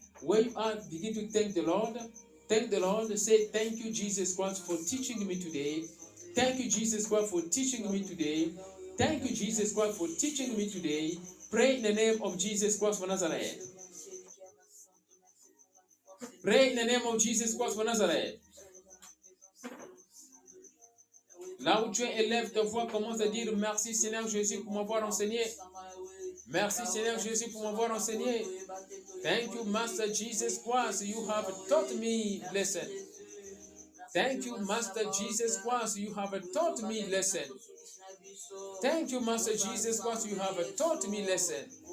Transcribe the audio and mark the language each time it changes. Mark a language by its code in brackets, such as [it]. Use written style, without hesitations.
[en] When you are, begin to thank the Lord. Thank the Lord. Say, thank you, Jesus Christ, for teaching me today. Thank you, Jesus Christ, for teaching me today. Thank you, Jesus Christ, for teaching me today. Pray in the name of Jesus Christ for Nazareth. Pray in the name of Jesus Christ for Nazareth. [fr] Là où tu es, élève ta voix, commence à dire merci Seigneur Jésus pour m'avoir enseigné. Merci Seigneur Jésus pour m'avoir enseigné. [en] Thank you Master Jesus Christ, you have taught me lesson. Thank you Master Jesus Christ, you have taught me lesson. Thank you Master Jesus Christ, you have taught me lesson.